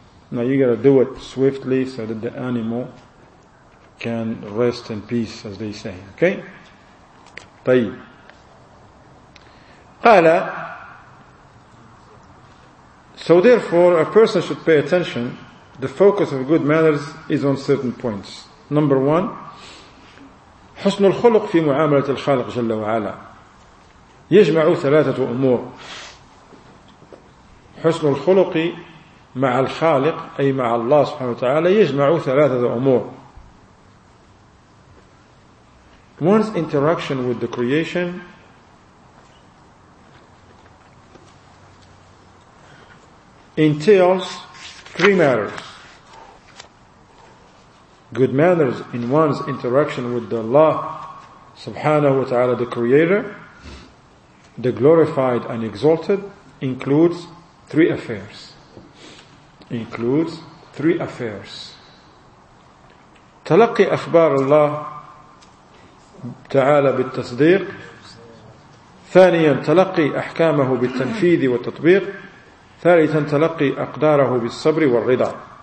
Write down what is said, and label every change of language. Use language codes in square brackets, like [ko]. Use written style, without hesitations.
[en] Now you gotta do it swiftly so that the animal can rest in peace, as they say. Okay? Tayyib. [ar] Qala. [en] So therefore, a person should pay attention. The focus of good manners is on certain points. Number one, [ar] حسن الخلق في معاملة الخالق جل وعلا. يجمع ثلاثة أمور. حسن الخلق مع الخالق أي مع الله سبحانه وتعالى يجمع ثلاثة أمور. [en] One's interaction with the creation entails three matters. Good manners in one's interaction with the Allah subhanahu wa ta'ala, the Creator, the glorified and exalted, includes three affairs. Includes three affairs. [ar] تلقي أخبار الله تعالى بالتصديق. ثانيا تلقي أحكامه بالتنفيذ والتطبيق. ثالثا تلقي أقداره بالصبر والرضا.